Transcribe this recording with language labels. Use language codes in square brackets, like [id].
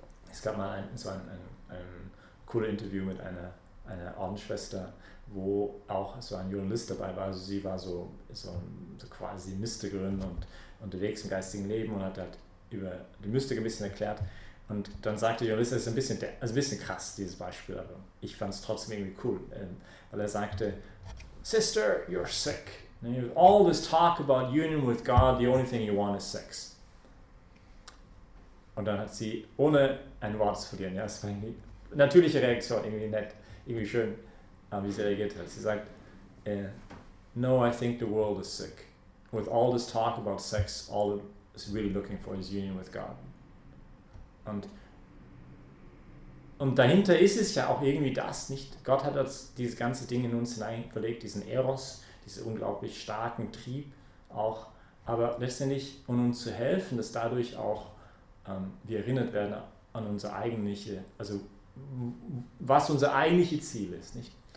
[de] Es gab mal ein cooles Interview mit einer Ordensschwester, wo auch so ein Journalist dabei war. Also sie war so quasi Mystikerin und unterwegs im geistigen Leben und hat halt über die Mystik ein bisschen erklärt. Und dann sagte der Journalist, das ist ein bisschen krass, dieses Beispiel, aber ich fand es trotzdem irgendwie cool. Weil er sagte, [en] Sister, you're sick. All this talk about union with God, the only thing you want is sex. [de] Und dann hat sie, ohne ein Wort zu verlieren, ja, das war eine natürliche Reaktion, irgendwie nett, irgendwie schön, wie sie reagiert hat. Sie sagt, [en] no, I think the world is sick. With all this talk about sex, all is really looking for is union with God. [de] Und dahinter ist es ja auch irgendwie das, nicht? Gott hat uns dieses ganze Ding in uns hineinverlegt, diesen Eros, diesen unglaublich starken Trieb auch, aber letztendlich, um uns zu helfen, dass dadurch auch wir erinnert werden an unser eigentliche, also was unser eigentliche Ziel ist, nicht?